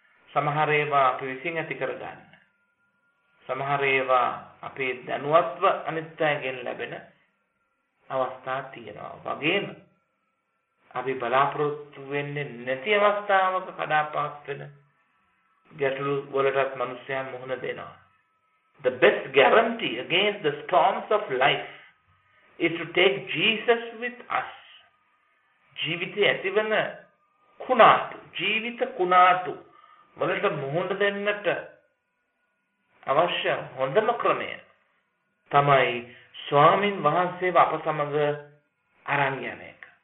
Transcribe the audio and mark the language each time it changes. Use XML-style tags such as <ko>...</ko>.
<si>සමහර ඒවා අපි විසින් ඇති කරගන්න. සමහර ඒවා අපේ දැනුවත්ව අනිත්‍යයෙන් ලැබෙන අවස්ථා තියෙනවා. වගේම අපි බලාපොරොත්තු වෙන්නේ නැති අවස්ථාවක කඩාපාත් වෙන ගැටලු වලටත් මනුස්සයන් මුහුණ දෙනවා.</si> <en>The best guarantee against the storms of life is to take Jesus with us.</en> <si>ජීවිතය ඇතිවන කුණාටු, ජීවිත කුණාටු වලට මුහුණ දෙන්නට අවශ්‍ය හොඳම ක්‍රමය තමයි ස්වාමින් වහන්සේව අප සමග අරන් යන එක.</si>